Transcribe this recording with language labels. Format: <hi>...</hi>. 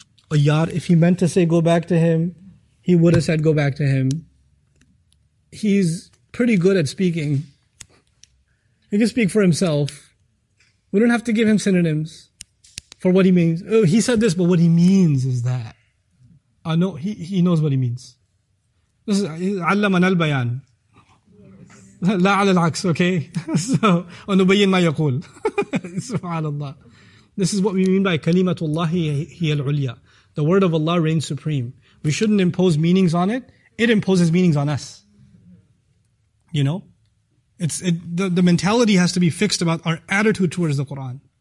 <en>Ayyar, if he meant to say go back to Him, he would have said go back to Him. He's pretty good at speaking. He can speak for himself. We don't have to give him synonyms. For what he means. Oh, he said this, but what he means is that. No, he knows what he means. This is</en> <ar>عَلَّمَنَا الْبَيَانِ لَا عَلَى الْعَكْسِ</ar> <en>Okay? So,</en> <ar>وَنُبَيِّنْ مَا يَقُولُ SubhanAllah.</ar> <en>This is what we mean by</en> <ar>كَلِمَةُ اللَّهِ هِيَ الْعُلْيَا</ar> <en>The word of Allah reigns supreme. We shouldn't impose meanings on it. It imposes meanings on us. You know? the mentality has to be fixed about our attitude towards the Quran.</en>